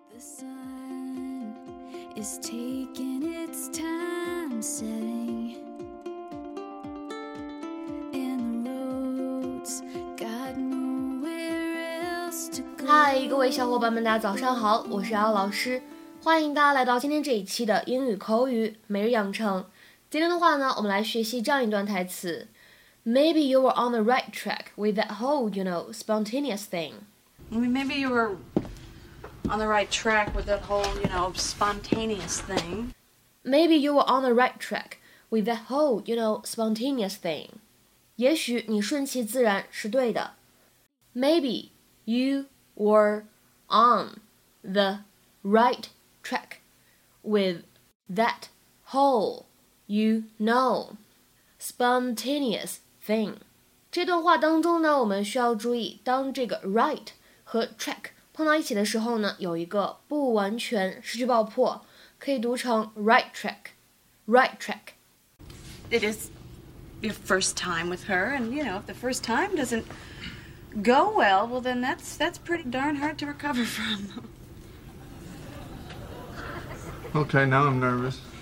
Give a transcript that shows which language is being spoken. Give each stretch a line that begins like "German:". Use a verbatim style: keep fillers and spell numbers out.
English: sun is taking its time setting, and the road's got nowhere else to go.
Chinese: 嗨，各位小伙伴们，大家早上好，我是阿老师，欢迎大家来到今天这一期的英语口语每日养成。今天的话呢，我们来学习这样一段台词
English: ：Maybe you were on the right track with that whole, you know, spontaneous thing. I mean, maybe you were. on the right track with that whole, you know, spontaneous thing. Maybe you were on the right track with that whole, you know, spontaneous thing.
Chinese: 也许你顺其自然是对的。
English: Maybe you were on the right track with that whole, you know, spontaneous thing.
Chinese: 这段话当中呢，我们需要注意，当这个 right 和 track碰到一起的时候呢，有一个不完全失去爆破，可以读成 right track, right track.
English: It is your first time with her, and you know, if the first time doesn't go well, well then that's, that's pretty darn hard to recover from. Okay, now I'm nervous.